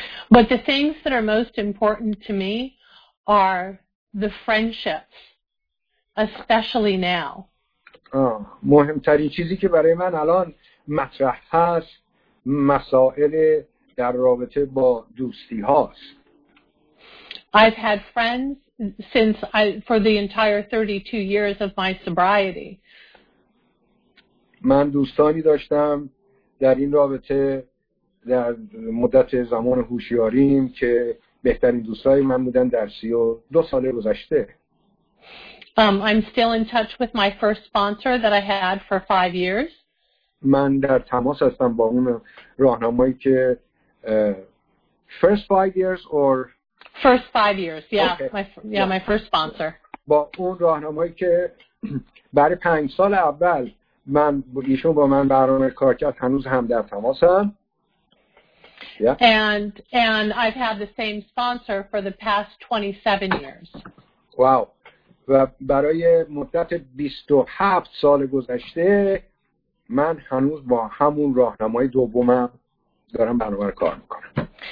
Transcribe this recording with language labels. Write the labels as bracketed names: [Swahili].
[English] But the things that are most important to me are the friendships, especially now. [Persian] مهمترین چیزی که برای من الان مطرح هست مسائل در رابطه با دوستی هاست. [English] I've had friends since for the entire 32 years of my sobriety. [Persian] من دوستانی داشتم در این رابطه در مدت زمان هوشیاریم که بهترین دوستای من بودن در 32 سال گذشته. [English] I'm still in touch with my first sponsor that I had for 5 years. [Persian] من در تماس هستم با اون راهنمایی که [English] first 5 years or first 5 years. My first sponsor. [Persian] با اون راهنمایی که برای 5 سال اول من ایشون با من برنامه کار کرد هنوز هم در تماسم. [English] Yeah. And I've had the same sponsor for the past 27 years. Wow. [Persian] و برای مدت 27 سال گذشته من هنوز با همون راهنمای دومم دارم برنامه کار میکنم.